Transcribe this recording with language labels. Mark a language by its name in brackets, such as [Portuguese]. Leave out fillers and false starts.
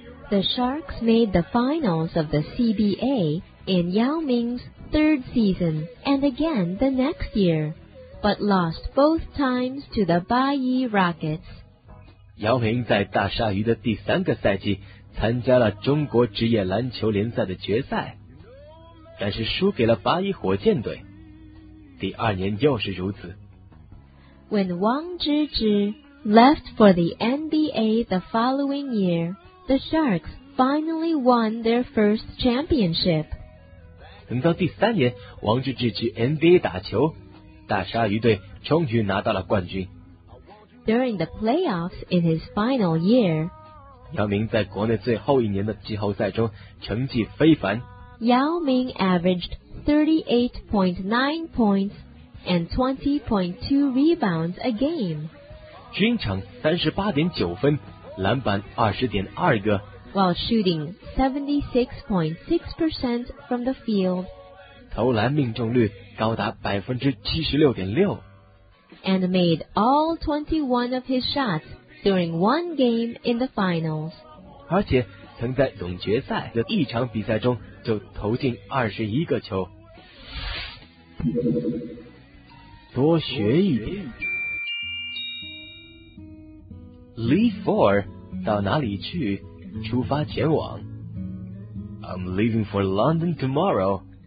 [English] The Sharks made the finals of the CBA in Yao Ming's third season and again the next year, but lost both times to the Baiyi Rockets. [Chinese] 姚明在大鲨鱼的第三个赛季参加了中国职业篮球联赛的决赛，但是输给了八一火箭队。第二年又是如此。 [English] When Wang Zhizhi left for the NBA the following year, the Sharks finally won their first championship. [Chinese] 等到第三年王治郅去 NBA 打球，大鲨鱼队终于拿到了冠军。 [English] During the playoffs in his final year, [Chinese] 姚明在国内最后一年的季后赛中成绩非凡。 [English] Yao Ming averaged 38.9 points. And 20.2 rebounds a game. [Chinese] 均场 38.9 分，篮板 20.2 个。 [English] While shooting 76.6% from the field. [Chinese] 投篮命中率高达 76.6%. [English] And made all 21 of his shots during one game in the finals. [Chinese] 而且曾在总决赛的一场比赛中就投进21个球。多学一点。 [English] Leave for [Chinese] 到哪里去？出发前往。 [English] I'm leaving for London tomorrow.